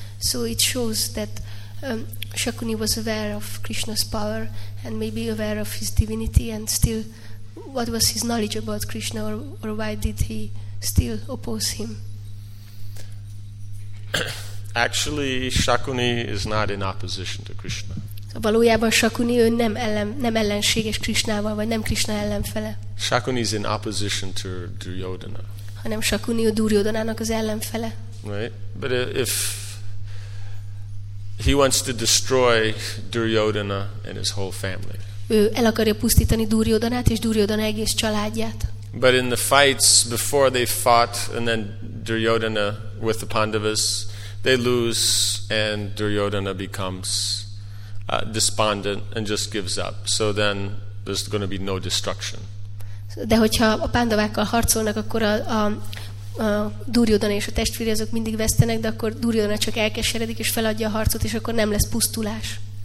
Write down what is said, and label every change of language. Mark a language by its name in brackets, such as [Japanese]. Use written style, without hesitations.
[English] So it shows that Shakuni was aware of Krishna's power and maybe aware of his divinity, and still what was his knowledge about Krishna, or why did he still oppose him? Actually, Shakuni is not in opposition to Krishna. [Hungarian] Valójában Shakuni ő nem ellenséges Krishnával, vagy nem Krishna ellenfele. [English] Shakuni is in opposition to Duryodhana. [Hungarian] Hanem Shakuni a Duryodhanának az ellenfele. [English] Right, but if he wants to destroy Duryodhana and his whole family. [Hungarian] Ő el akarja pusztítani Duryodhanát és Duryodhana egész családját. [English] But in the fights before they fought, and then Duryodhana with the Pandavas, they lose, and Duryodhana becomes despondent and just gives up. So then there's going to be no destruction. [Hungarian] De hogyha a Pandavákkal harcolnak, akkor a Duryodhana és a testvére azok mindig vesztenek, de akkor Duryodhana csak elkeseredik és feladja a harcot, és akkor nem lesz pusztulás.